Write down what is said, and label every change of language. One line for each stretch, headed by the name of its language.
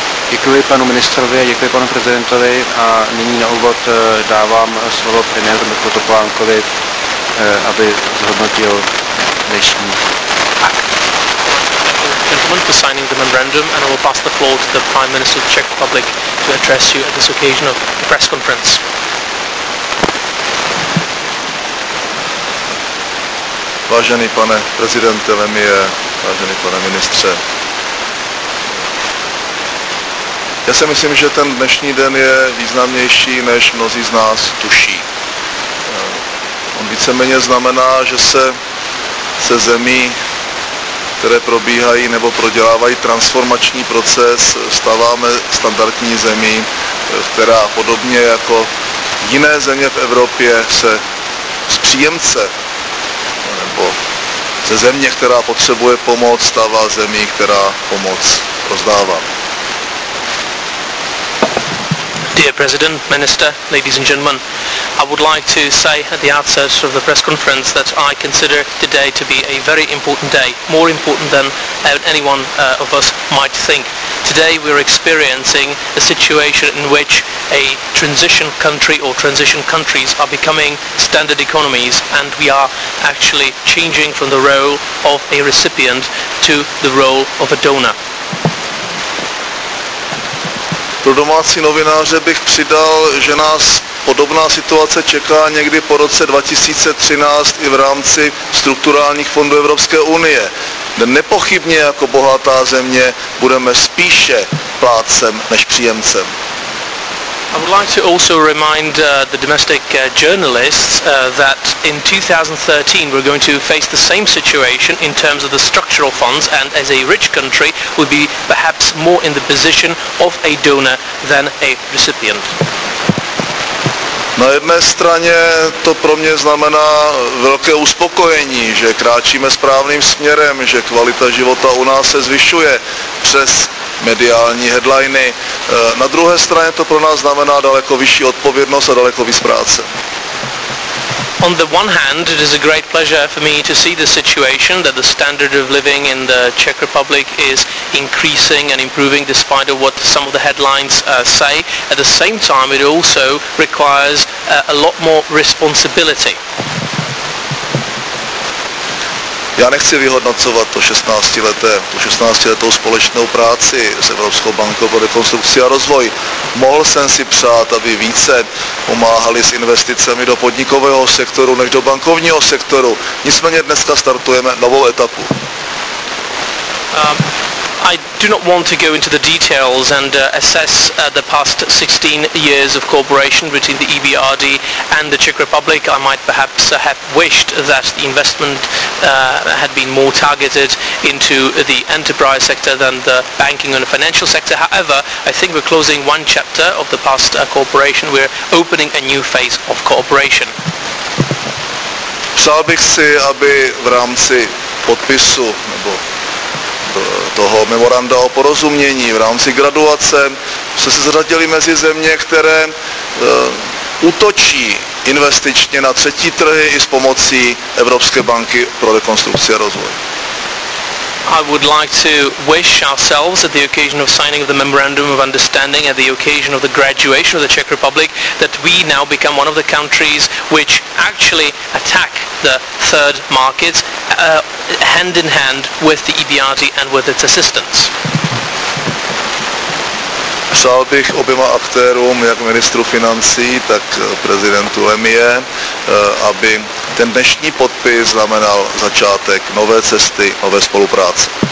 Czech: Děkuji panu ministrovi a děkuji panu prezidentovi a nyní na úvod dávám slovo premiéru Mirku Topolánkovi, aby zhodnotil dnešní akt.
English: Gentlemen, for signing the memorandum, and I will pass the floor to the Prime Minister of the Czech Republic to address you at this occasion of the press conference.
Czech: Vážený pane prezidente Lemie, vážený pane ministře, já si myslím, že ten dnešní den je významnější, než mnozí z nás tuší. On víceméně znamená, že se zemí, které probíhají nebo prodělávají transformační proces, stáváme standardní zemí, která podobně jako jiné země v Evropě se z příjemce nebo ze země, která potřebuje pomoc, stává zemí, která pomoc rozdává.
English: Dear President, Minister, ladies and gentlemen, I would like to say at the outset of the press conference that I consider today to be a very important day, more important than anyone of us might think. Today we are experiencing a situation in which a transition country or transition countries are becoming standard economies, and we are actually changing from the role of a recipient to the role of a donor.
Czech: Pro domácí novináře bych přidal, že nás podobná situace čeká někdy po roce 2013 i v rámci strukturálních fondů Evropské unie. Nepochybně jako bohatá země budeme spíše plátcem než příjemcem.
English: I would like to also remind the domestic journalists that in 2013 we're going to face the same situation in terms of the structural funds, and as a rich country we'll be perhaps more in the position of a donor than a recipient.
Czech: Na jedné straně to pro mě znamená velké uspokojení, že kráčíme správným směrem, že kvalita života u nás se zvyšuje přes mediální headliny. Na druhé straně to pro nás znamená daleko vyšší odpovědnost a daleko víc práce.
English: On the one hand, it is a great pleasure for me to see the situation that the standard of living in the Czech Republic is increasing and improving despite of what some of the headlines say. At the same time, it also requires a lot more responsibility.
Czech: Já nechci vyhodnocovat tu 16-letou společnou práci s Evropskou bankou pro rekonstrukci a rozvoj. Mohl jsem si přát, aby více pomáhali s investicemi do podnikového sektoru než do bankovního sektoru. Nicméně dneska startujeme novou etapu.
English: I do not want to go into the details and assess the past 16 years of cooperation between the EBRD and the Czech Republic. I might perhaps have wished that the investment had been more targeted into the enterprise sector than the banking and financial sector. However, I think we're closing one chapter of the past cooperation. We're opening a new phase of cooperation.
Czech: Přál bych si, aby v rámci podpisu nebo toho memoranda o porozumění, v rámci graduace, jsme se zařadili mezi země, které útočí investičně na třetí trhy i s pomocí Evropské banky pro rekonstrukci a rozvoj.
English: I would like to wish ourselves at the occasion of signing of the Memorandum of Understanding, at the occasion of the graduation of the Czech Republic, that we now become one of the countries which actually attack the third markets hand in hand with the EBRD and with its assistance.
Czech: Přál bych oběma aktérům, jak ministru financí, tak prezidentu EMIE, aby ten dnešní podpis znamenal začátek nové cesty, nové spolupráce.